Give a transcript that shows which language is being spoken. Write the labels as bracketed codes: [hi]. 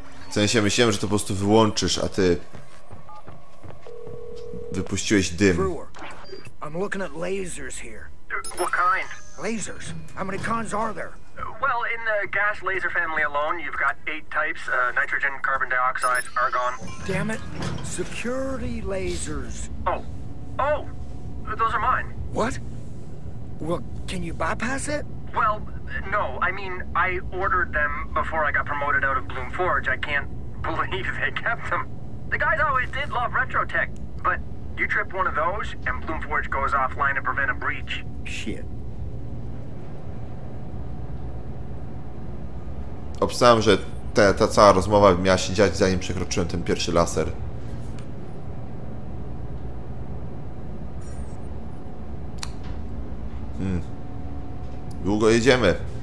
[pl] W sensie myślałem, że to po prostu wyłączysz, a ty wypuściłeś dym. [en] Brewer, I'm looking at lasers here. What kind? Lasers. How many kinds are there? Well, in the gas laser family alone, you've got 8 types: nitrogen, carbon dioxide, argon. Damn it! Security lasers. Oh, those are mine. What? Well, can you bypass it? Well. No, I mean, I ordered them before I got promoted out of Bloom Forge. I can't believe they kept them. The guys always did love Retrotech, but you trip one of those, and Bloom Forge goes offline to prevent a breach. Shit. [pl] Obstałem, że ta cała rozmowa miała się dziać, zanim przekroczyłem ten pierwszy laser. Długo jedziemy.